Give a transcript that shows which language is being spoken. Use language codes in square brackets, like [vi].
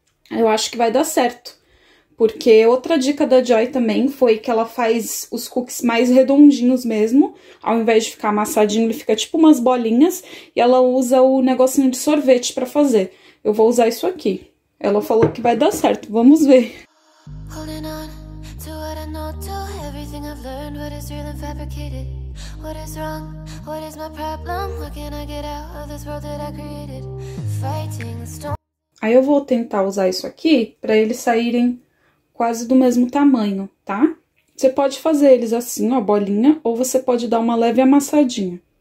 [pt] Eu acho que vai dar certo. Porque outra dica da Joy também foi que ela faz os cookies mais redondinhos mesmo. Ao invés de ficar amassadinho, ele fica tipo umas bolinhas. E ela usa o negocinho de sorvete para fazer. Eu vou usar isso aqui. Ela falou que vai dar certo. Vamos ver. [en] Holding on to what I know, to everything I've learned, what is real and fabricated. What is wrong? What is my problem? What can I get out of this world that I created? Fighting the storm. [pt] Aí eu vou tentar usar isso aqui para eles saírem quase do mesmo tamanho, tá? Você pode fazer eles assim, ó, bolinha, ou você pode dar uma leve amassadinha.